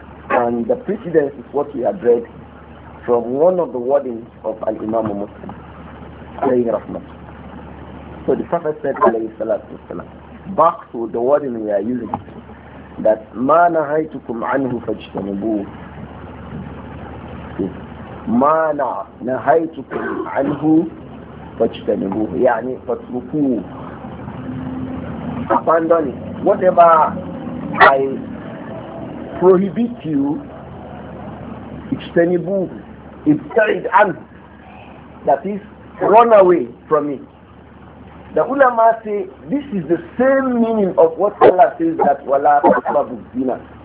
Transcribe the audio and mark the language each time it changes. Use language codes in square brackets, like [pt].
[en] And the precedence is what we have read from one of the wordings of Al-Imam Muslim, alayhi rahmat. So the Prophet said, alayhi salatu wasalam, back to the wording we are using, that [ar] مَا نَهَيْتُكُمْ عَنْهُ فَاجْتَنِبُوهُ. مَا نَهَيْتُكُمْ عَنْهُ فَاجْتَنِبُوهُ, يعني فَاتْرُكُوهُ, [en] abandon it. Whatever I prohibit you, [ar] اجْتَنِبُوهُ, ابْتَعِدْ عَنْهُ, [en] that is, run away from it. The ulama say this is the same meaning of what Allah says, that [ar] wala taqrabu zina.